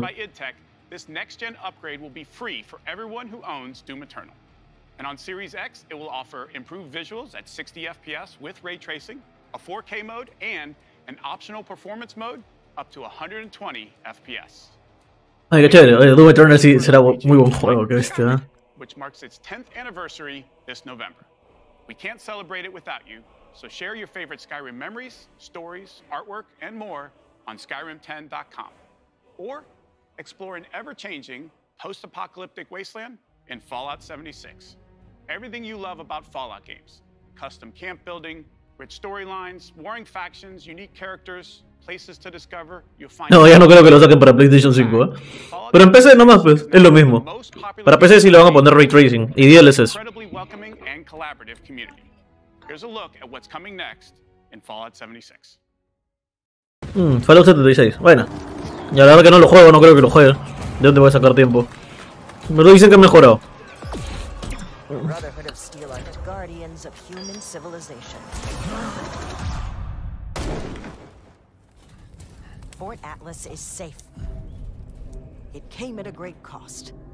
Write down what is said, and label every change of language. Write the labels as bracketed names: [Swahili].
[English] By id Tech, this next-gen upgrade will be free for everyone who owns Doom Eternal. And on Series X, it will offer improved visuals at 60 FPS with ray tracing, a 4K mode, and an optional performance mode up to 120 FPS. [Spanish] Ay, qué chévere. Doom Eternal sí será muy buen juego, que este, ¿eh? [English] Which marks its 10th anniversary this November. We can't celebrate it without you, so share your favorite Skyrim memories, stories, artwork, and more on Skyrim10.com. Or explore an ever-changing post-apocalyptic wasteland in Fallout 76. Everything you love about Fallout games. Custom camp building, rich storylines, warring factions, unique characters, places to discover, you'll find... [Spanish] No, ya no creo que lo saquen para PlayStation 5, ¿eh? Pero en PC nomás, pues, es lo mismo. Para PC sí le van a poner ray tracing y DLSS. [English] Here's a look at what's coming next in Fallout 76. [Spanish] Fallout 76, bueno. Y la verdad que no lo juego, no creo que lo juegue. ¿De dónde voy a sacar tiempo? Me lo dicen que ha mejorado. [English] Brotherhood of Steel are the guardians of human civilization. Fort Atlas is safe. It came at a great cost.